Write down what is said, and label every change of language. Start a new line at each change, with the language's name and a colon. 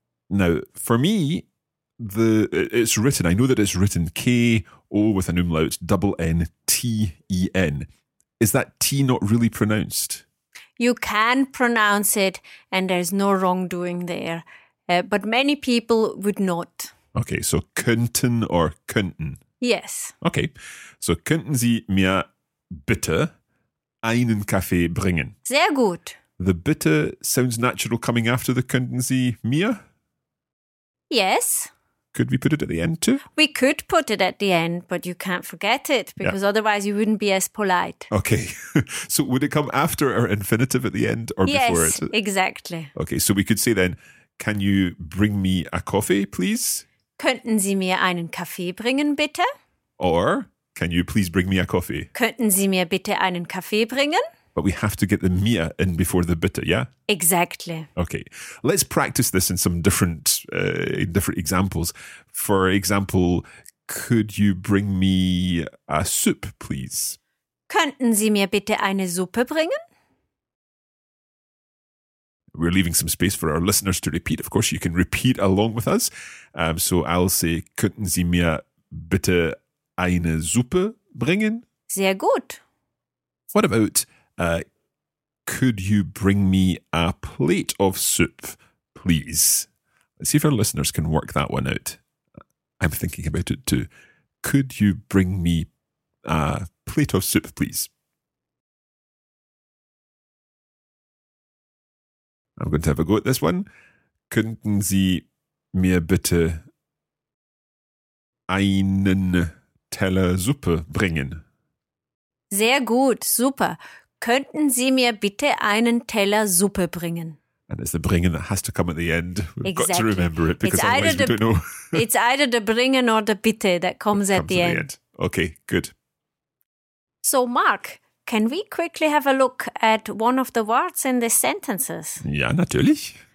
English: Now, for me, it's written, I know that it's written K-O with an umlaut, double N-T-E-N. Is that T not really pronounced? You can pronounce it and there's no wrongdoing there, but many people would not. Okay, so könnten or könnten? Yes. Okay, so
German: könnten Sie mir bitte einen Kaffee bringen? Sehr gut.
English: The bitte sounds natural coming after the
German: könnten Sie mir?
English: Yes. Could we put it at the end too? We could put it at the end, but you can't forget it because otherwise you wouldn't be as polite. Okay. So would it come after our infinitive at the end or yes, before it? Yes, exactly. Okay, so we could say then, can you bring me a coffee, please?
German: Könnten Sie mir einen Kaffee bringen, bitte?
English: Or can you please bring me a coffee?
German: Könnten Sie mir bitte einen Kaffee bringen?
English: But we have to get the mir in before the bitte, yeah? Exactly. Okay, let's practice this in some different examples. For example, could you bring me a soup, please?
German: Könnten Sie mir bitte eine Suppe bringen?
English: We're leaving some space for our listeners to repeat. Of course, you can repeat along with us. So I'll say,
German: könnten Sie mir bitte eine Suppe bringen? Sehr gut.
English: What about, could you bring me a plate of soup, please? Let's see if our listeners can work that one out. I'm thinking about it too. Could you bring me a plate of soup, please? I'm going to have a go at this one.
German: Könnten Sie mir bitte einen Teller Suppe bringen? Sehr gut, super. Könnten Sie mir bitte einen Teller Suppe bringen?
English: And it's the bringen that has to come at the end. We've exactly. got to remember it because it's otherwise we don't know. It's either the bringen or the bitte that comes at the end. Okay, good. So, Mark, can we quickly have a look at one of the words in the sentences?
German: Ja, natürlich.